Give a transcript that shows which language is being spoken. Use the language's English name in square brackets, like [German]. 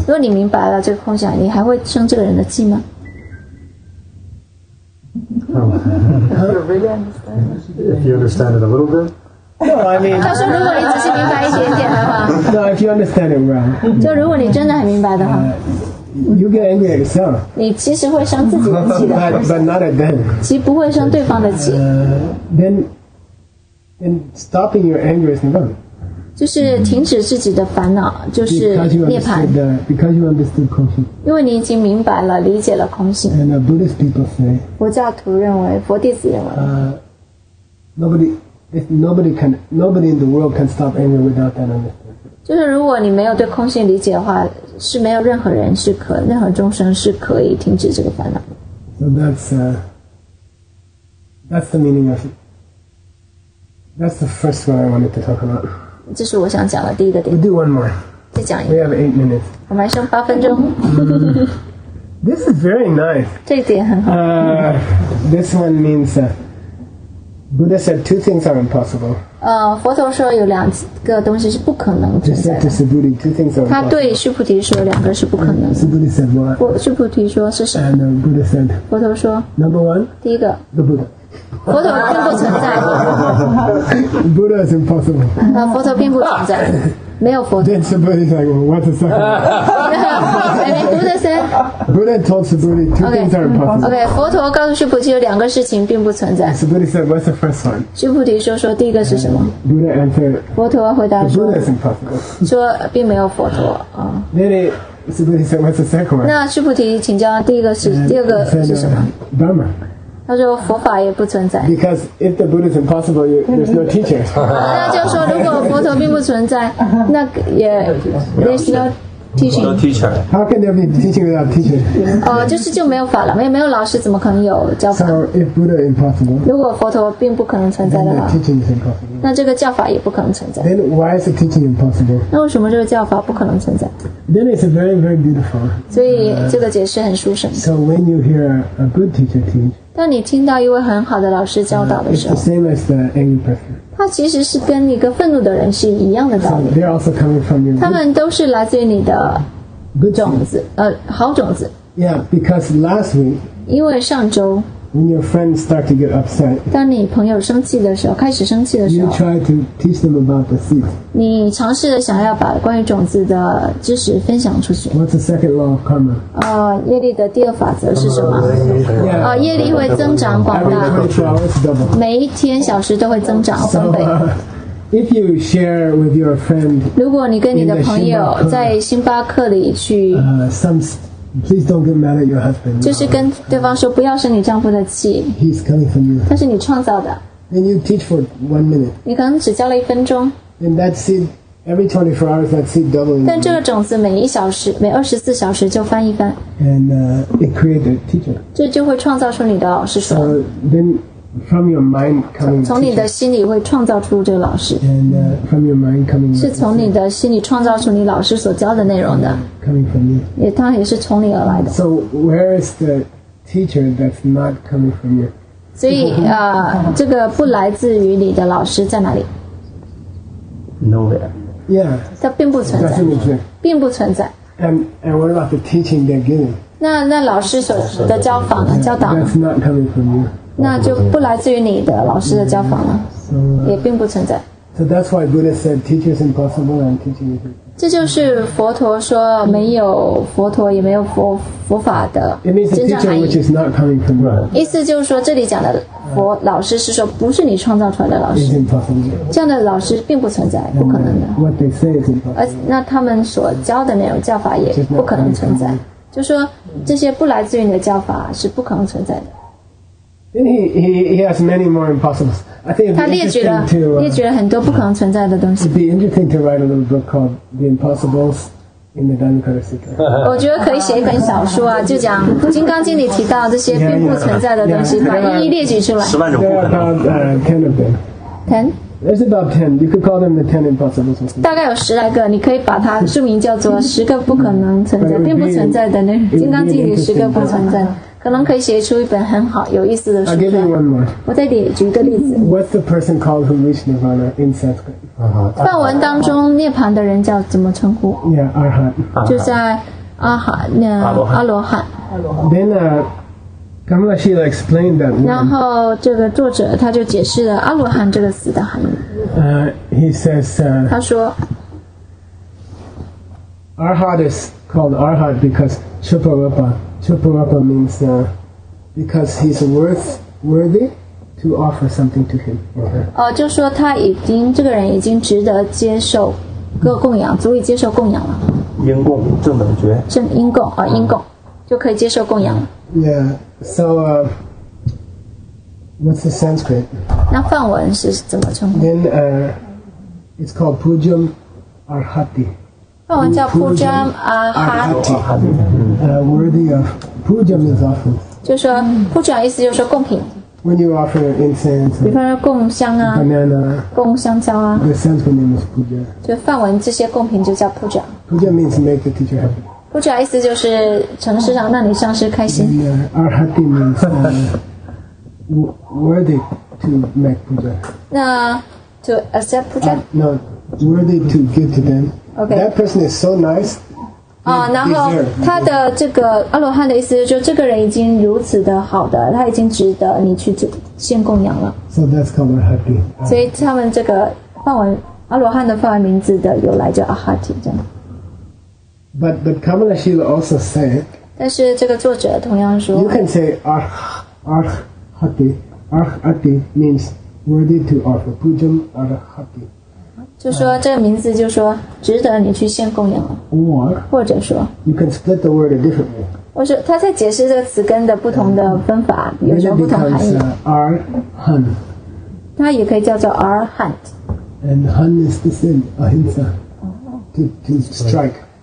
[Chinese] 如果你明白了这个空性，你还会生这个人的气吗？ [English] If you understand it a little bit. No, I mean. [Chinese] 他说，如果你只是明白一点点的话。 [English] No, if you understand it well. [Chinese] 就如果你真的很明白的话。 [English] You get angry at yourself. [Chinese] 你其实会生自己的气的。 [English] But not at them. [Chinese] 其实不会生对方的气。 [English] Then. And stopping your anger is nirvana. [Chinese] 就是停止自己的烦恼，就是涅槃。 [English] Because you understood 空性。 [Chinese] 因为你已经明白了，理解了空性。 [English] And Buddhist people say. [Chinese] 佛教徒认为，佛弟子认为。 [English] Nobody in the world can stop anger without that understanding. [Chinese] 就是如果你没有对空性理解的话，是没有任何人是可，任何众生是可以停止这个烦恼。 [English] So that's the meaning of it. That's the first one I wanted to talk about. [Chinese] 这是我想讲的第一个点。 [English] We'll do one more. [Chinese] 再讲一 [English] 个。We have 8 minutes. [Chinese] 我们还剩八分钟。 [English] This is very nice. [Chinese] 这一点很好。 [English] This one means that Buddha said two things are impossible. [Chinese] 佛陀说有两个东西是不可能存在的。 [English] He said to Subhuti, two things are impossible. [Chinese] 他对须菩提说两个是不可能的。 [English] Subhuti said what? [Chinese] 须菩提说是什么 [English] ？And Buddha said. [Chinese] 佛陀说。 [English] Number one. [Chinese] 第一个。 [English] The Buddha. [Chinese] 佛陀并不存在。 [English] Buddha is impossible. [Chinese] 佛陀并不存在。没有佛陀。 [English] Then Subhuti is like, what's the second? Buddha said. Buddha told Subhuti two okay, things are impossible. [Chinese] Okay, 佛陀告诉须菩提有两个事情并不存在。 [English] Subhuti said, what's the first one? [Chinese] 须菩提说第一个是什么？ [English] Buddha answered. [Chinese] 佛陀回答说。 [English] Buddha is impossible. [Chinese] 说并没有佛陀。 [English] Then Subhuti said, what's the second one? [Chinese] 那须菩提请教第二个是什么？ [English] Dharma. [Chinese] 他说佛法也不存在。 [English] Because if the Buddha is impossible, there's no teachers. [Chinese] 那就说如果佛陀并不存在，那也 [English] there's no teaching. How can there be teaching without teaching? [Chinese] 就是就没有法了，没有老师，怎么可能有教法 [English] ？So if Buddha is impossible, [Chinese] 如果佛陀并不可能存在的话 [English] ，teaching is impossible. [Chinese] 那这个教法也不可能存在。 [English] Then why is the teaching impossible? [Chinese] 那为什么这个教法不可能存在 [English] ？Then it's very very beautiful. [Chinese] 所以这个解释很殊胜。 [English] So when you hear a good teacher teach. [Chinese] 当你听到一位很好的老师教导的时候 [English] it's the same as the angry person. [Chinese] 他其实是跟一个愤怒的人是一样的道理 [English] so they're also coming from you. [Chinese] 他们都是来自于你的种子 好种子 [English] Yeah, because last week [Chinese] 因为上周 [English] when your friends start to get upset [Chinese] 当你朋友生气的时候开始生气的时候 [English] you try to teach them about the seed [Chinese] 你尝试想要把关于种子的知识分享出去 [English] What's the second law of karma? [Chinese] 业力的第二法则是什么业力会增长广大每一天小时都会增长翻倍 [English] if you share with your friend [Chinese] 如果你跟你的朋友在星巴克里去 [English] Please don't get mad at your husband. [Chinese] 就是跟对方说不要生你丈夫的气 [English] He's coming from you. [Chinese] 他是你创造的 [English] And you teach for 1 minute. [Chinese] 你可能只教了一分钟 [English] And that seed, every 24 hours, that seed doubles. [Chinese] 但这个种子每24小时就翻一番 [English] And it creates a teacher. [Chinese] 这就会创造出你的老师 [English] So then from your mind coming [Chinese] 从你的心里会创造出这个老师 [English] And from your mind coming [Chinese] 是从你的心里创造出你老师所教的内容的 [English] Coming from you. [Chinese] 它也是从你而来的。 [English] So where is the teacher that's not coming from you? [Chinese] 所以这个不来自于你的老师在哪里 [English] ？Nowhere. Yeah. [Chinese] 它并不存在。 [English] That's interesting. [Chinese] 并不存在。 [English] And what about the teaching they're giving? [Chinese] 那老师所的教法呢？教导呢 [English] ？That's not coming from you. [Chinese] 那就不来自于你的老师的教法了。 So, 也并不存在。 [English] So that's why Buddha said teacher is impossible and teaching is impossible. [Chinese] 这就是佛陀说没有佛陀也没有佛法的真正含义。 [English] It means a teacher which is not coming from God. [Chinese] 意思就是说这里讲的佛老师是说不是你创造出来的老师。 [English] It's impossible. [Chinese] 这样的老师并不存在，不可能的。 [English] What they say is impossible. [Chinese] 那他们所教的那种教法也不可能存在。就说这些不来自于你的教法是不可能存在的。 [English] Then he has many more impossibles. I think it'd be interesting to [Chinese] 列举了很多不可能存在的东西。 [English] It'd be interesting to write a little book called The Impossibles in the Dhammakaya Sutra. [Chinese] 我觉得可以写一本小说啊，就讲《金刚经》里提到这些并不存在的东西，把一一列举出来。十万种不可能。 [English] There are about ten of them. Ten? There's about ten. You could call them the ten impossibles. [Chinese] 大概有十来个，你可以把它书名叫做《十个不可能存在、并不存在的那《金刚经》里十个不存在》。可能可以写出一本很好有意思的书。 [English] I'll give you one more. [Chinese] 我再举一个例子。 [English] What's the person called who reached nirvana in Sanskrit? [Chinese] 梵文当中涅槃的人叫怎么称呼？Yeah, 阿罗汉。就在阿哈那阿罗汉。 [English] Then, Kamalashila explained that. [Chinese] 然后这个作者他就解释了阿罗汉这个词的含义。 [English] He says. [Chinese] 他说。 [English] Arhat is called Arhat because Chuparupa. Chuparupa means because he's worthy to offer something to him. [Chinese] 就说他已经这个人已经值得接受各供养，足以接受供养了。因供正等觉。正因供因供就可以接受供养了。 [English] Yeah. So, what's the Sanskrit? [Chinese] 那梵文是怎么称呼 [English] ？Then, it's called Pujam Arhati. [Chinese] 叫 Pujam Arhati [English] worthy of Pujam is offered [Chinese] 就说 Pujam 意思就是说贡品 [English] When you offer incense, [Chinese] 比方说供香啊 [English] banana, [Chinese] 供香蕉啊 [English] the sense name is puja. [Chinese] 就放完这些供品就叫 puja. [English] Puja means make the teacher happy. [Chinese] Puja 意思就是诚实让那里上师开心。 [English] Arhati means worthy to make puja. 那 to accept puja? No, worthy to give to them. Okay. That person is so nice. [Chinese] 然后他的这个阿罗汉的意思就是这个人已经如此的好的他已经值得你去献供养了 [English] so that's called Arhati [Chinese] 所以他们这个梵文阿罗汉的梵文名字的由来叫 Arhati 这样 [English] but Kamala Shila also said [Chinese] 但是这个作者同样说 [English] you can say Arhati means worthy to offer Pujam Arhati [Chinese] 就说这个名字就说值得你去献供养了 或者说 [English] you can split the word a different way [Chinese] 或者他在解释这个词根的不同的分法有什么不同含义 [English] becomes, Arhant [Chinese] 它也可以叫做 Arhant [English] and Han is the same Ahimsa to strike